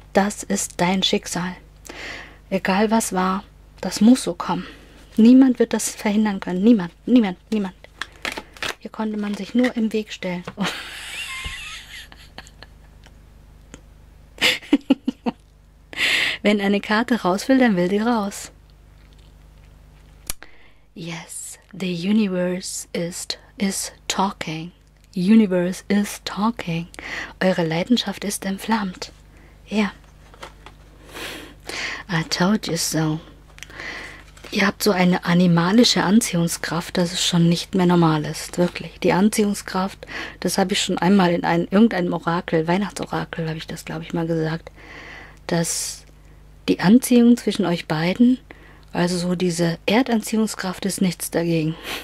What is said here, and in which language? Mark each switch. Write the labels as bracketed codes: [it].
[de] Das ist dein Schicksal. Egal was war, das muss so kommen. Niemand wird das verhindern können. Niemand. Hier konnte man sich nur im Weg stellen. Wenn eine Karte raus will, dann will sie raus. [en] Yes, the universe is talking. Universe is talking. [de] Eure Leidenschaft ist entflammt. [en] Yeah. I told you so. [de] Ihr habt so eine animalische Anziehungskraft, dass es schon nicht mehr normal ist, wirklich. Die Anziehungskraft, das habe ich schon einmal in irgendeinem Orakel, Weihnachtsorakel, habe ich das, glaube ich, mal gesagt, dass die Anziehung zwischen euch beiden, also so diese Erdanziehungskraft ist nichts dagegen.